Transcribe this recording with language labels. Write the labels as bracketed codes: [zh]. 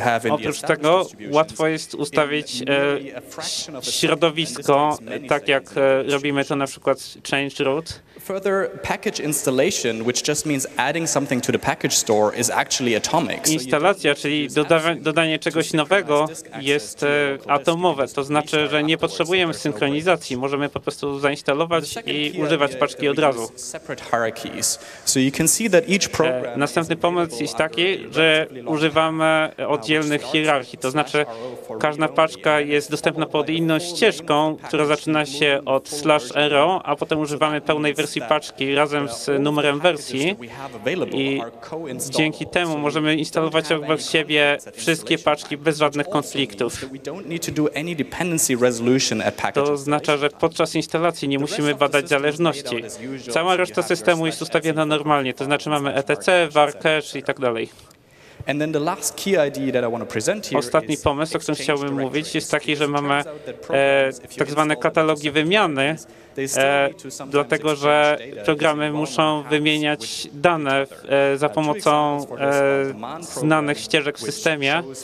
[pl] Oprócz tego łatwo jest ustawić środowisko, tak jak robimy to na przykład change root. [en] Further package installation, which just means adding something to the package store, is actually atomic. [pl] Instalacja, czyli dodanie czegoś nowego, jest atomowe. To znaczy, że nie potrzebujemy synchronizacji. Możemy po prostu zainstalować i używać paczki od razu. Następny pomysł jest taki, że używamy oddzielnych hierarchii. To znaczy, każda paczka jest dostępna pod inną ścieżką, która zaczyna się od /ro, a potem używamy pełnej wersji wersji paczki razem z numerem wersji i dzięki temu możemy instalować obok siebie wszystkie paczki bez żadnych konfliktów. To oznacza, że podczas instalacji nie musimy badać zależności. Cała reszta systemu jest ustawiona normalnie, to znaczy mamy ETC, var, cache i tak dalej. [en] And then the last key idea that I want to present here. [pl] Ostatni pomysł, o którym chciałbym mówić, jest taki, że mamy tak zwane katalogi wymiany, dlatego że programy muszą wymieniać dane za pomocą znanych ścieżek w systemie.